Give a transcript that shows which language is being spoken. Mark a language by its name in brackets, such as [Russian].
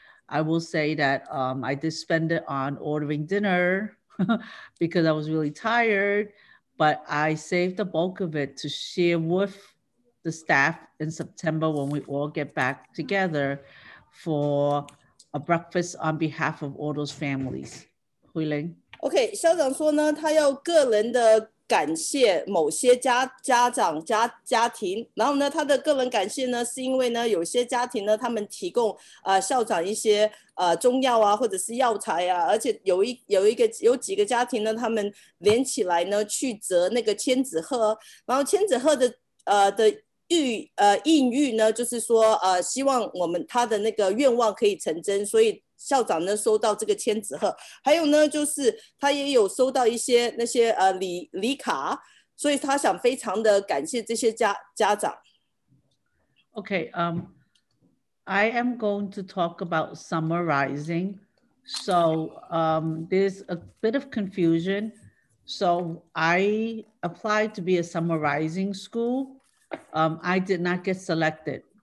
[English] I will say that I did spend it on ordering dinner because I was really tired. But I saved the bulk of it to share with the staff in September when we all get back together for a breakfast on behalf of all those families. Hui Ling. [Chinese] Okay, 校长说呢，他要个人的感谢某些家长家庭，然后呢，他的个人感谢呢，是因为呢，有些家庭呢，他们提供校长一些中药啊，或者是药材啊，而且有几个家庭呢，他们连起来呢去折那个千纸鹤，然后千纸鹤的孕育呢，就是说希望我们他的那个愿望可以成真，所以校长呢收到这个千纸鹤，还有呢就是他也有收到一些那些礼卡，所以他想非常的感谢这些家长。 [English] Okay, I am going to talk about summarizing. So, there's a bit of confusion. So, I applied to be a summarizing school. I did not get selected.